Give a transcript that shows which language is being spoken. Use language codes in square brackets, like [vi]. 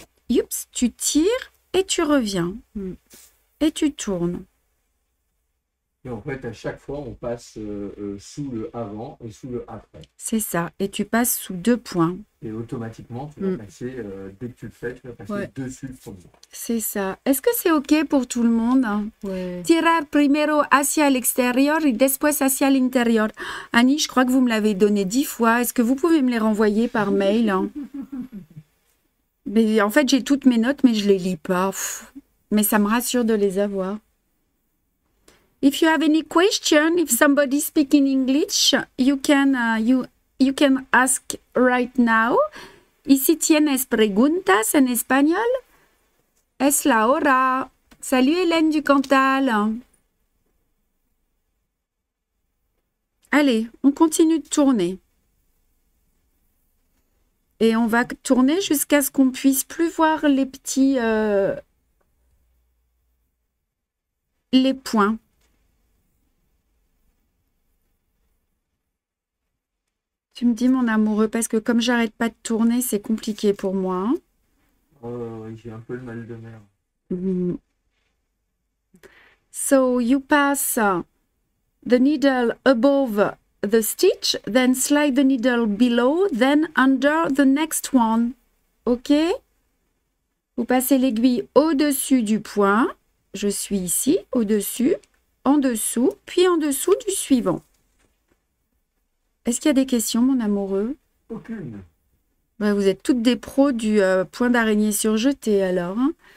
[fr] Oups, tu tires et tu reviens. Et tu tournes. Et en fait, à chaque fois, on passe sous le avant et sous le après. C'est ça. Et tu passes sous deux points. Et automatiquement, tu vas passer, dès que tu le fais, tu vas passer Ouais. dessus le premier. C'est ça. Est-ce que c'est OK pour tout le monde? Ouais. [es] Tirar primero hacia [fr] l'extérieur et [es] después hacia [fr] l'intérieur. Annie, je crois que vous me l'avez donné 10 fois. Est-ce que vous pouvez me les renvoyer par mail, hein? Mais en fait, j'ai toutes mes notes, mais je les lis pas. Mais ça me rassure de les avoir. [en] If you have any question, if somebody speaking English, you can ask right now. [es] Y si tienes preguntas en español, es la hora. [fr] Salut Hélène du Cantal. Allez, on continue de tourner. Et on va tourner jusqu'à ce qu'on puisse plus voir les points. Tu me dis mon amoureux, parce que comme j'arrête pas de tourner, c'est compliqué pour moi. J'ai un peu le mal de mer. [en] So you pass the needle above the stitch, then slide the needle below, then under the next one. [fr] OK? Vous passez l'aiguille au-dessus du point. Je suis ici, au-dessus, en dessous, puis en dessous du suivant. Est-ce qu'il y a des questions, mon amoureux? Aucune. Ben, vous êtes toutes des pros du point d'araignée surjeté, alors. Hein?